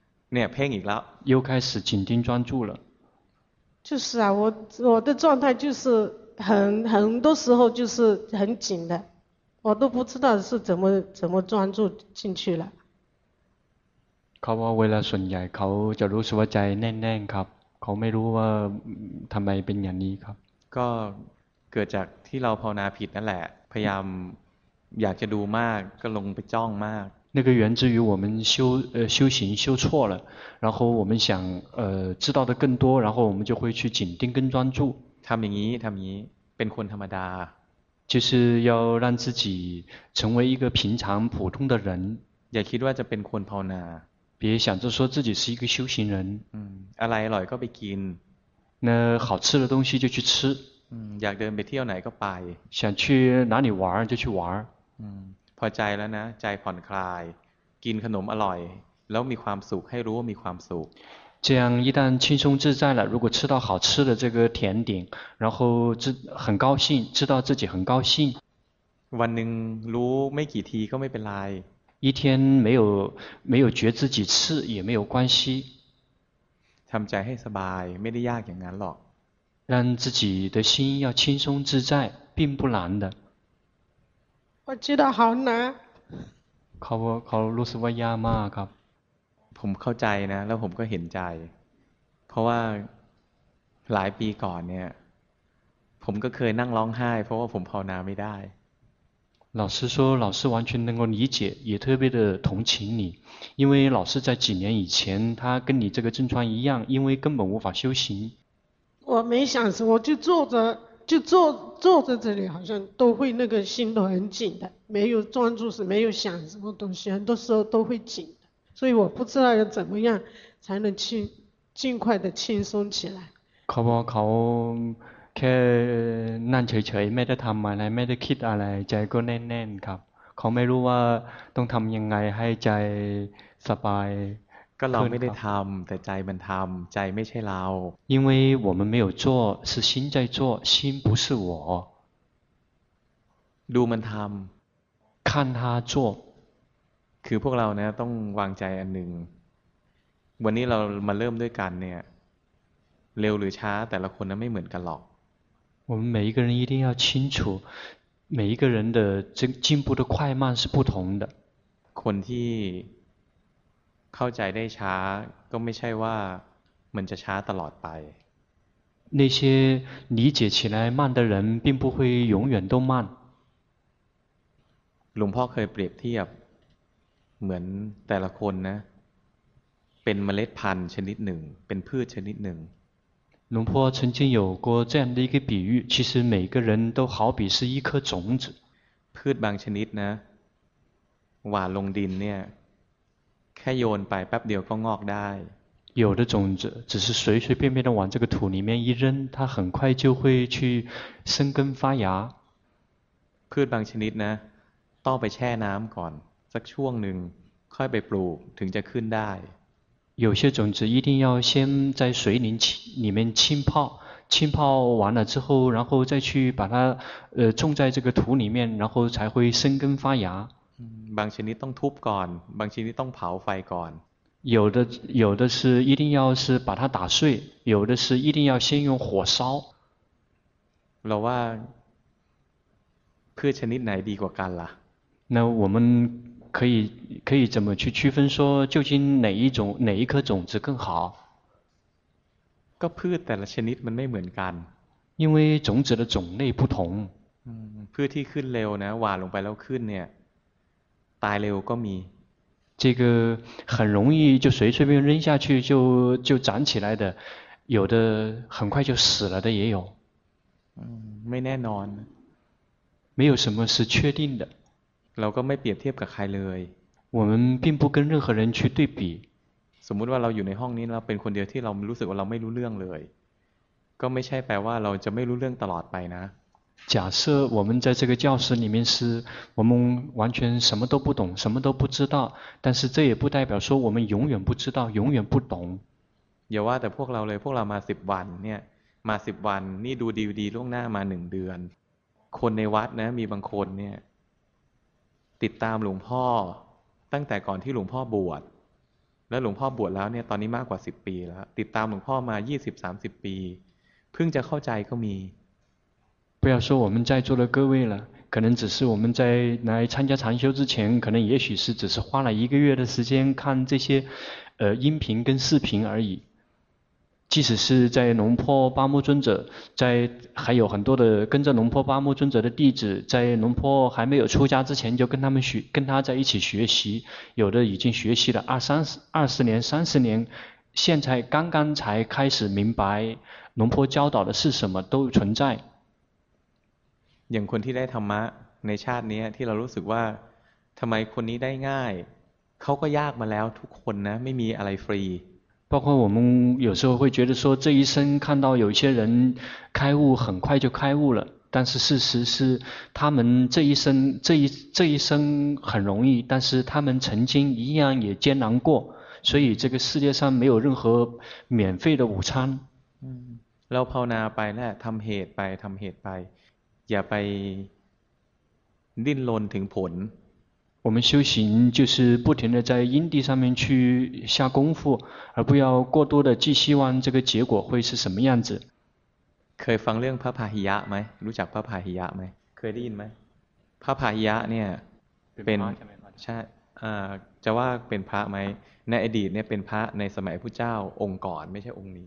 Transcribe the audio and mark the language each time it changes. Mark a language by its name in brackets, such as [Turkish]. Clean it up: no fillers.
[Thai] เนี่ยเพ่งอีกแล้ว [Chinese] 又开始紧盯专注了就是啊我的状态就是很多时候就是很紧的我都不知道是怎么专注进去了 [Thai] เขาว่าเวลาส่วนใหญ่เขาจะรู้สึกว่าใจแน่นๆครับเขาไม่รู้ว่าทำไมเป็นอย่างนี้ครับ ก็เกิดจากที่เราภาวนาผิดนั่นแหละพยายามอยากจะดูมากก็ลงไปจ้องมาก [Chinese] 那个源自于我们修行修错了然后我们想知道的更多然后我们就会去紧盯跟专注 [Thai] ทำอย่างนี้เป็นคนธรรมดา [Chinese] 就是要让自己成为一个平常普通的人 [Thai] อย่าคิดว่าจะเป็นคนภาวนา [Chinese] 别想着说自己是一个修行人 [Thai] อะไรอร่อยก็ไปกิน [Chinese] 那好吃的东西就去吃 [Thai] อยากเดินไปเที่ยวไหนก็ไป [Chinese] 想去哪里玩就去玩 [Thai] พอใจแล้วนะใจผ่อนคลายกินขนมอร่อยแล้วมีความสุขให้รู้ว่ามีความสุข [Chinese] 这样一旦轻松自在了如果吃到好吃的这个甜点然后很高兴知道自己很高兴 [Thai] วันหนึ่งรู้ไม่กี่ทีก็ไม่เป็นไร [Chinese] 一天没有觉知几次也没有关系 [Thai] ทำใจให้สบายไม่ได้ยากอย่างนั้นหรอก [Chinese] 让自己的心要轻松自在并不难的我知道好难 [Thai] เขารู้สึกว่ายากมากครับ ผมเข้าใจนะแล้วผมก็เห็นใจเพราะว่าหลายปีก่อนเนี่ยผมก็เคยนั่งร้องไห้เพราะว่าผมภาวนาไม่ได้ [Chinese] 老师说老师完全能够理解也特别的同情你因为老师在几年以前他跟你这个症状一样因为根本无法修行我没想什么我就坐着就坐在这里好像都会那个心都很紧的没有专注是没有想什么东西很多时候都会紧的所以我不知道要怎么样才能尽快的轻松起来 [Thai] เขาบอกเขาแค่นั่งเฉยๆไม่ได้ทำอะไรไม่ได้คิดอะไรใจก็แน่นๆครับเขาไม่รู้ว่าต้องทำยังไงให้ใจสบาย ก็เราไม่ได้ทำแต่ใจมันทำใจไม่ใช่เรา [Chinese] 因为我们没有做是心在做心不是我 [Thai] ดูมันทำ [Chinese] 看他做 [Thai] คือพวกเราเนี่ยต้องวางใจอันหนึ่งวันนี้เรามาเริ่มด้วยกันเนี่ยเร็วหรือช้าแต่ละคนนั้นไม่เหมือนกันหรอก [Chinese] 我们每一个人一定要清楚每一个人的进步的快慢是不同的 [Thai] คนที่เข้าใจได้ช้าก็ไม่ใช่ว่ามันจะช้าตลอดไป [Chinese] 那些理解起来慢的人并不会永远都慢 [Thai] หลวงพ่อเคยเปรียบเทียบเหมือนแต่ละคนนะเป็นเมล็ดพันธุ์ชนิดหนึ่งเป็นพืชชนิดหนึ่ง [Chinese] หลวงพ่อ曾经有过这样的一个比喻其实每个人都好比是一颗种子 [Thai] พืชบางชนิดนะหว่านลงดินเนี่ยแค่โยนไปแป๊บเดียวก็งอกได้ [Chinese] 有的种子只是随随便便的往这个土里面一扔它很快就会去生根发芽 [Thai] พืชบางชนิดนะต้องไปแช่น้ำก่อนสักช่วงหนึ่งค่อยไปปลูกถึงจะขึ้นได้ [Chinese] 有些种子一定要先在水里面浸泡浸泡完了之后，然后再去把它种在这个土里面，然后才会生根发芽。 [Thai] บางชนิดต้องทุบก่อนบางชนิดต้องเผาไฟก่อน [Chinese] 有的是一定要是把它打碎有的是一定要先用火烧 [Thai] เราว่าพืชชนิดไหนดีกว่ากันล่ะ [Chinese] 那我们可以怎么去区分说究竟哪一种哪一颗种子更好 [Thai] ก็พืชแต่ละชนิดมันไม่เหมือนกัน [Chinese] 因为种子的种类不同 [Thai] พืชที่ขึ้นเร็วนะหว่านลงไปแล้วขึ้นเนี่ยตายเร็วก็มี [Chinese] 这个很容易就随随便扔下去就长起来的有的很快就死了的也有 [Thai] ไม่แน่นอน [Chinese] 没有什么是确定的 [Thai] เราก็ไม่เปรียบเทียบกับใครเลย [Chinese] 我们并不跟任何人去对比 [Thai] สมมุติว่าเราอยู่ในห้องนี้เราเป็นคนเดียวที่เรารู้สึกว่าเราไม่รู้เรื่องเลยก็ไม่ใช่แปลว่าเราจะไม่รู้เรื่องตลอดไปนะ [Chinese] 假设我们在这个教室里面是我们完全什么都不懂什么都不知道但是这也不代表说我们永远不知道永远不懂 [Thai] อย่าว่าแต่พวกเราเลยพวกเรามา10วันเนี่ยมา10วันนี่ดูดีดีล่วงหน้ามา1เดือนคนในวัดนะมีบางคนเนี่ยติดตามหลวงพ่อตั้งแต่ก่อนที่หลวงพ่อบวชแล้วหลวงพ่อบวชแล้วเนี่ยตอนนี้มากกว่า10ปีแล้วติดตามหลวงพ่อมา20 30ปีเพิ่งจะเข้าใจก็มี [Chinese] 不要说我们在座的各位了可能只是我们在来参加禅修之前可能也许是只是花了一个月的时间看这些音频跟视频而已即使是在龙坡巴木尊者在还有很多的跟着龙坡巴木尊者的弟子在龙坡还没有出家之前就跟他们学跟他在一起学习有的已经学习了二十年三十年现在刚刚才开始明白龙坡教导的是什么都存在 [Thai] อย่างคนที่ได้ธรรมะในชาตินี้ที่เรารู้สึกว่าทำไมคนนี้ได้ง่ายเขาก็ยากมาแล้วทุกคนนะไม่มีอะไรฟรี [Chinese] 包括我们有时候会觉得说这一生看到有些人开悟很快就开悟了但是事实是他们这一生很容易但是他们曾经一样也艰难过所以这个世界上没有任何免费的午餐 [Thai] เราภาวนาไปแล้วทำเหตุไปอย่าไปดิ้นรนถึงผล [Chinese] 我们修行就是不停的在因地上面去下功夫而不要过多的寄希望这个结果会是什么样子 [Thai] เคยฟังเรื่องพระพาหิยะไหมรู้จักพระพาหิยะไหมเคยได้ยินไหมพระพาหิยะเนี่ย เป็น ใช่จะว่าเป็นพระไหมในอดีตเนี่ยเป็นพระในสมัยพุทธเจ้าองค์ก่อนไม่ใช่องค์นี